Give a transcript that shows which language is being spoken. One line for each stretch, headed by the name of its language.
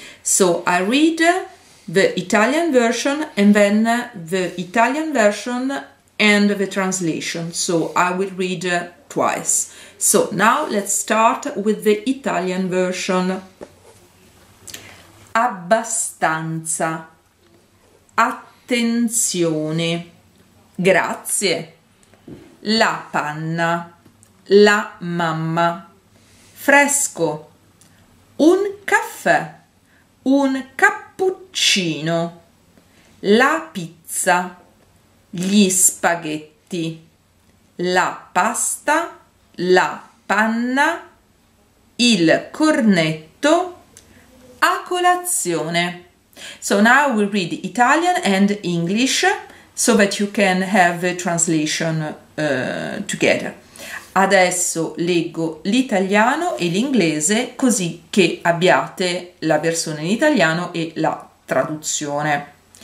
English: So I read the Italian version and then the Italian version and the translation. So I will read twice. So now let's start with the Italian version.
Italian: Abbastanza. Attenzione, grazie, la panna, la mamma, fresco, un caffè, un cappuccino, la pizza, gli spaghetti, la pasta, la panna, il cornetto, a colazione.
English: So now we read Italian and English so that you can have the translation together.
Italian: Adesso leggo l'italiano e l'inglese così che abbiate la versione in italiano e la traduzione.